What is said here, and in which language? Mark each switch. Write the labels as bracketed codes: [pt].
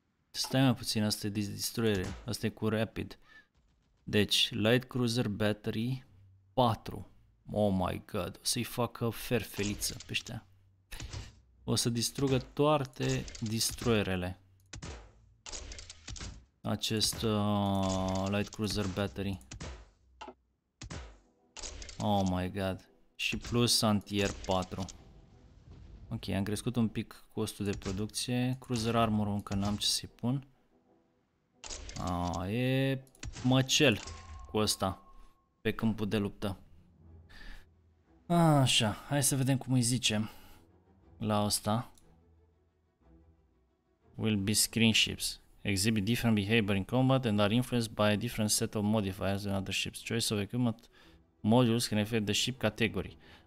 [ro] Stai mai puțin, asta e destroyer, asta e cu rapid. Deci, light cruiser battery 4. [en] Oh my god, [ro] o să-i facă ferfeliță pe ăștia. O să distrugă toate destroyerele. Acest light cruiser battery. [en] Oh my god. [ro] Și plus anti-air 4. Ok, am crescut un pic costul de producție. Cruiser armor încă n-am ce să-i pun. E măcel cu ăsta pe câmpul de luptă. Așa, hai să vedem cum îi zicem la ăsta. [en] Will be screen ships. Exhibit different behavior in combat and are influenced by a different set of modifiers than other ships. Choice of equipment modules can affect the ship category.